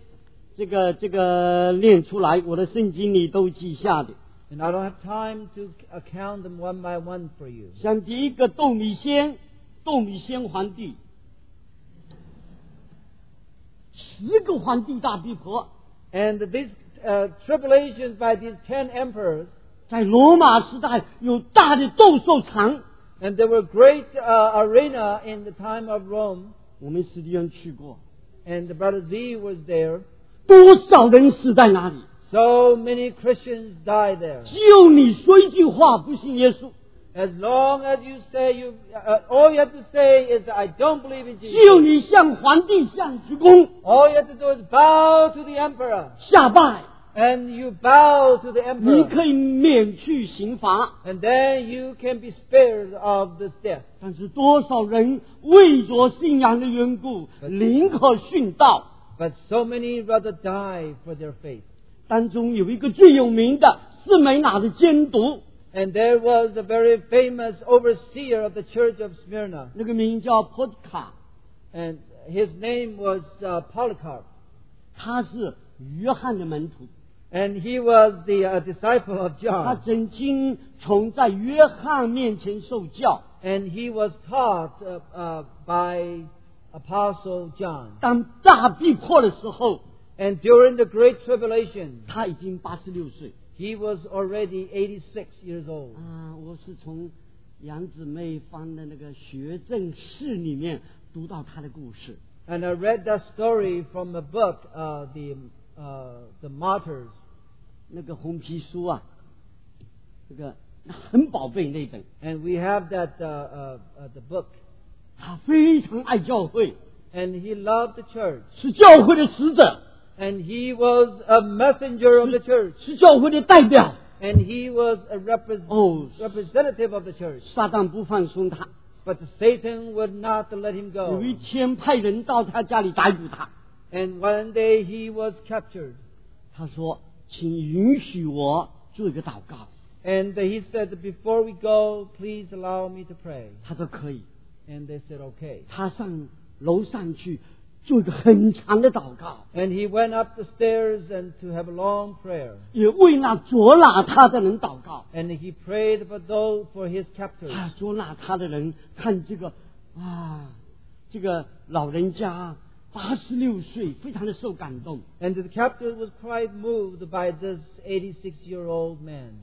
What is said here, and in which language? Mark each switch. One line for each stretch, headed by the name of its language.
Chinese: 10个皇帝我今天没有时间这个念出来, 我的圣经里都记下的,
English: and I don't have time to count them one by one for you.
Chinese: 像第一个窦弥先皇帝, 10个皇帝大逼迫,
English: and these tribulations by these 10 emperors.
Chinese: 在罗马时代有大的斗兽场,
English: and there were great arena in the time of Rome.
Chinese: 我们史蒂安去过,
English: and the brother Z was there.
Chinese: 多少人死在哪里,
English: so many Christians died there.
Chinese: 只有你说一句话不信耶稣,
English: as long as you say you, all you have to say is I don't believe in Jesus.
Chinese: 只有你向皇帝向鞠躬,
English: all you have to do is bow to the emperor.
Chinese: 下拜,
English: and you bow to the emperor.
Chinese: 你可以免去刑罚,
English: and then you can be spared of this death.
Chinese: 但是多少人为着信仰的缘故, 宁可殉道,
English: but so many rather die for their faith.
Chinese: 当中有一个最有名的士美那的监督,
English: and there was a very famous overseer of the church of Smyrna.
Chinese: 那个名叫Podka,
English: and his name was Polycarp.
Chinese: 他是约翰的门徒,
English: and he was the disciple of John.
Chinese: 他曾经从在约翰面前受教,
English: and he was taught by Apostle John.
Chinese: 当大逼迫的时候,
English: and during the great tribulation,
Chinese: 他已经86岁,
English: he was already 86 years old.
Chinese: 我是从杨姊妹翻的那个学政士里面读到他的故事,
English: and I read that story from a book, the Martyrs.
Chinese: 那个红皮书啊, 那个很宝贝那本,
English: and we have that the book.
Chinese: 他非常爱教会,
English: and he loved the church.
Chinese: 是教会的使者,
English: and he was a messenger of the church.
Chinese: 是教会的代表,
English: and he was a representative of the church.
Chinese: 撒旦不放松他,
English: but But Satan would not let him go.
Chinese: 有一天派人到他家里逮捕他。
English: And one day he was captured.
Chinese: 他说, 请允许我做一个祷告。
English: And he said, before we go, please allow me to pray.
Chinese: 他说可以。
English: And they said, okay.
Chinese: 他上楼上去, 做一个很长的祷告。
English: And he went up the stairs and to have a long prayer.
Chinese: 也为那捉拿他的人祷告。
English: And he prayed for those, for his captors.
Chinese: 捉拿他的人看这个老人家, 86岁, 非常的受感动。
English: And the captor was quite moved by this 86-year-old man.